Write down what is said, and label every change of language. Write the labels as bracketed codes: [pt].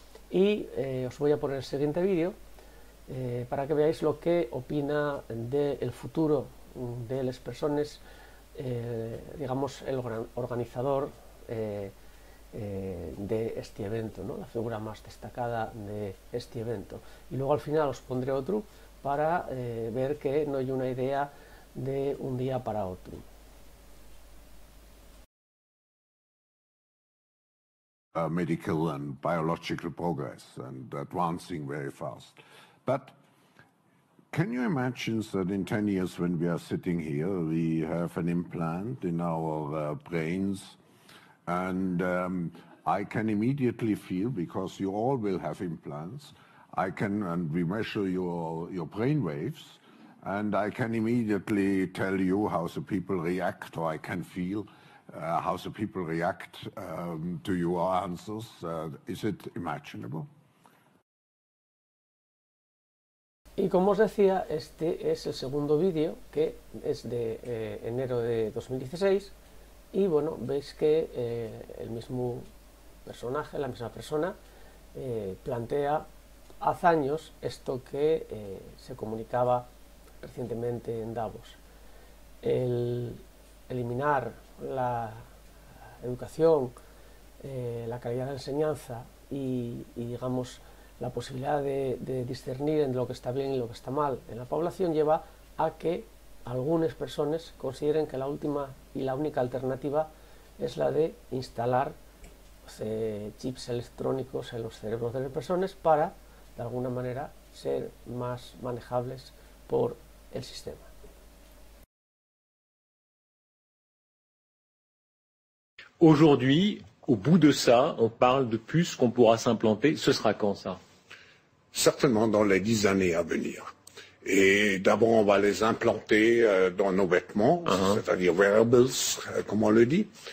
[es] Y os voy a poner el siguiente vídeo para que veáis lo que opina del futuro de las personas, digamos, el gran organizador de este evento, ¿no? La figura más destacada de este evento. Y luego al final os pondré otro para ver que no hay una idea de un día para otro. [en] Medical and biological progress and advancing very fast. But can you imagine that in 10 years when we are sitting here, we have an implant in our brains and I can immediately feel, because you all will have implants, I can, and we measure your brain waves, and I can immediately tell you how the people react, or I can feel how the people react to your answers. Is it imaginable? [es] Y como os decía, este es el segundo vídeo, que es de enero de 2016. Y bueno, veis que el mismo personaje, la misma persona, plantea hace años esto que se comunicaba recientemente en Davos. El eliminar la educación, la calidad de enseñanza y digamos, la posibilidad de discernir en lo que está bien y lo que está mal en la población lleva a que algunas personas consideren que la última y la única alternativa es la de instalar chips electrónicos en los cerebros de las personas para, de alguna manera, ser más manejables por el sistema. [fr] Aujourd'hui, au bout de ça, on parle de puces qu'on pourra s'implanter. Ce sera quand ça? Certainement dans les 10 années à venir. Et d'abord, on va les implanter dans nos vêtements, c'est-à-dire wearables, comme on le dit.